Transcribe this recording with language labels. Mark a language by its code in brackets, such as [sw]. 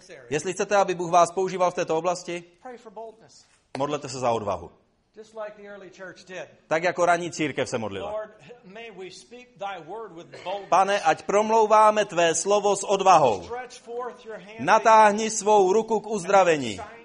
[cs] Jestli chcete, aby Bůh vás používal v této oblasti, modlete se za odvahu. [en] Just like the early church did. [cs] Tak jako ranní církev se modlila. [en] Lord, may we speak thy word with boldness. [cs] Pane, ať promlouváme tvé slovo s odvahou. [en] Stretch forth your hand. [cs] Natáhni svou ruku k uzdravení.